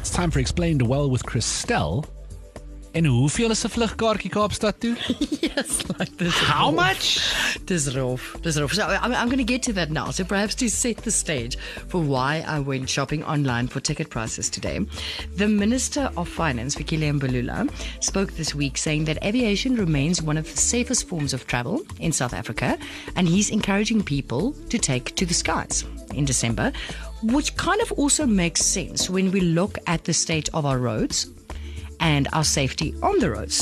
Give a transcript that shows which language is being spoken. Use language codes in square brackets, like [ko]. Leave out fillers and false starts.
[en] It's time for Explain the Well with Christelle. [af] En hoe veel is 'n vlug kaartjie Kaapstad toe? [en] Yes, like this. How much? [af] Dis rof. [en] So I'm going to get to that now. So perhaps to set the stage for why I went shopping online for ticket prices today. The Minister of Finance, Fikile Mbalula, spoke this week saying that aviation remains one of the safest forms of travel in South Africa, and he's encouraging people to take to the skies in December, which kind of also makes sense when we look at the state of our roads and our safety on the road.